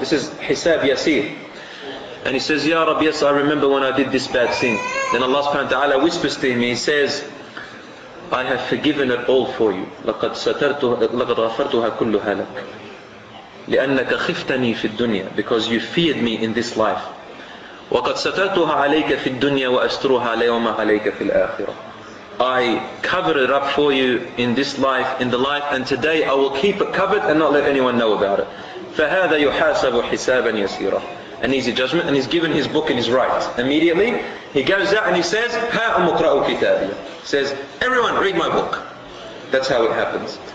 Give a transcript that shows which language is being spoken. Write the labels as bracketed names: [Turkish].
[English] This is Hisab Yasir. And he says, Ya Rabbi, yes, I remember when I did this bad sin. Then Allah subhanahu wa ta'ala whispers to him, he says, I have forgiven it all for you. [Arabic] لَقَدْ سَتَرْتُهَا, لَقَدْ غَفَرْتُهَا كُلُّهَا لَكَ. لأنك خفتني في الدنيا, [English] because you feared me in this life. [Arabic] وقد سترتها عليك في الدنيا وأستروها ليوم عليك في الآخرة. [English] I covered it up for you in this life, in the life, and today I will keep it covered and not let anyone know about it. [Arabic] فهذا يحاسب حسابا يسيرا, [English] an easy judgment, and he's given his book and his rights. Immediately he goes out and he says, [Arabic] ها أمقرأ كتابي, [English] says, everyone read my book. That's how it happens.